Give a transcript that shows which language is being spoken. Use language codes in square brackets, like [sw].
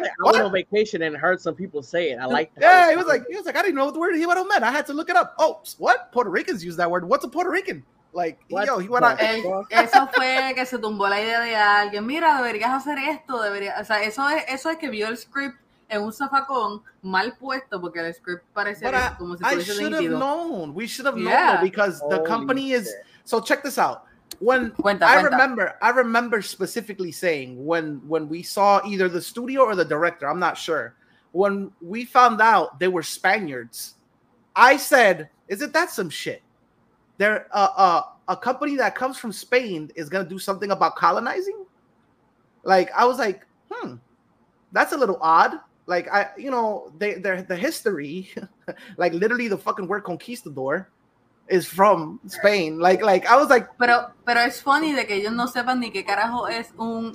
[en] I went on vacation and heard some people say it. I like that. Yeah, he was like, I didn't even know what the word Hiwaro meant. I had to look it up. Oh, what? Puerto Ricans use that word. What's a Puerto Rican? Like, what? Yo, he went out. [es] Eso fue que se tumbó la idea de alguien. Mira, deberías hacer esto. Eso es que vio el script en un zafacón mal puesto porque el script parecía como si fuese. [en] We should have known because the company is. So check this out. I remember specifically saying when we saw either the studio or the director, I'm not sure, when we found out they were Spaniards, I said, isn't that some shit? A company that comes from Spain is going to do something about colonizing? Like, I was like, that's a little odd. Like, the history, like, literally the fucking word conquistador is from Spain. Like I was like... [es] Pero es funny de que ellos no sepan ni qué carajo es un...